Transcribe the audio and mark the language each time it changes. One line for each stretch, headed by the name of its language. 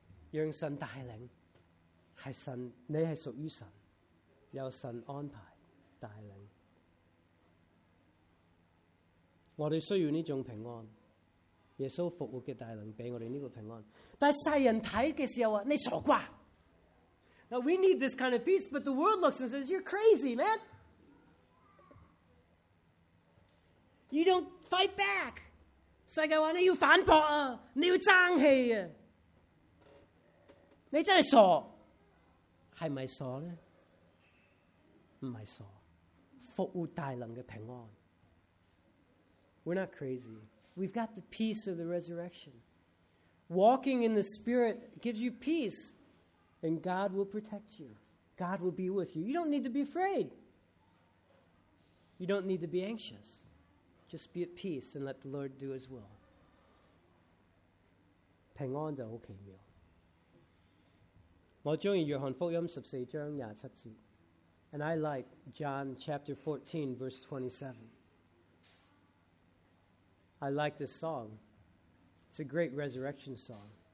Cantonese: 让神带领，是神，你是属于神，有神安排带领。我哋需要呢种平安。耶稣复活嘅大能俾我哋呢个平安。但系世人睇嘅时候话：你傻瓜。
English: Now we need this kind of peace, but the world looks and says, "You're crazy, man. You don't fight back."
Cantonese: 世界话你要反驳啊，你要争气啊，你真系傻。系咪傻呢？唔系傻，复活大能嘅平安。
English: We're not crazy. We've got the peace of the resurrection. Walking in the Spirit gives you peace, and God will protect you. God will be with you. You don't need to be afraid. You don't need to be anxious. Just be at peace and let the Lord do His will.
Cantonese: 平安就好奇妙。我中意约翰福音十四章廿七节。
English: And I like John chapter 14, verse 27. I like this song. It's a great resurrection song.